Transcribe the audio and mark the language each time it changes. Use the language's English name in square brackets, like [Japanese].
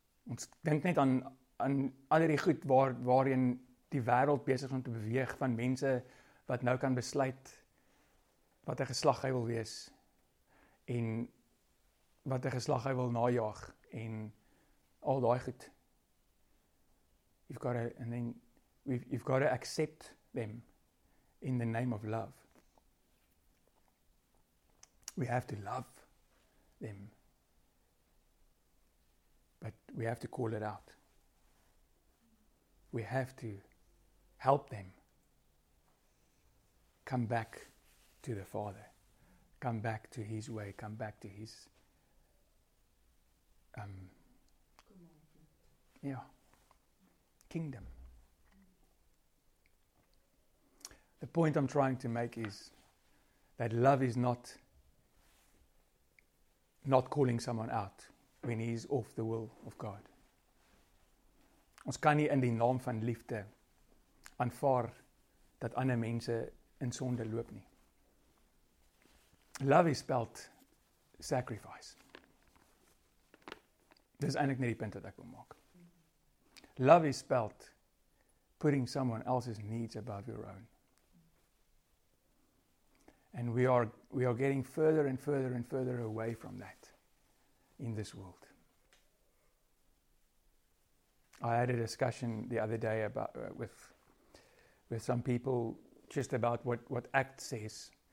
[Afrikaans] Ons denk net aan al die goed waarin die wêreld besig is om te beweeg van mense wat nou kan besluit wat 'n geslag hy wil wees en wat 'n geslag hy wil najaag en al daai goed. [English] You've got to accept them in the name of love. We have to love them. But we have to call it out. We have to help them come back to the Father. Come back to His way. Come back to His... Kingdom. The point I'm trying to make is that love is not calling someone out when he's off the will of God. [Afrikaans] Ons kan nie in die naam van liefde aanvaar dat ander mense in sonde loop nie. [English] Love is spelled sacrifice. [Afrikaans] Dit is eintlik net die punt wat ek wil maak. [English] Love is spelled putting someone else's needs above your own. And we are getting further and further and further away from that in this world. I had a discussion the other day about with some people just about what Act says.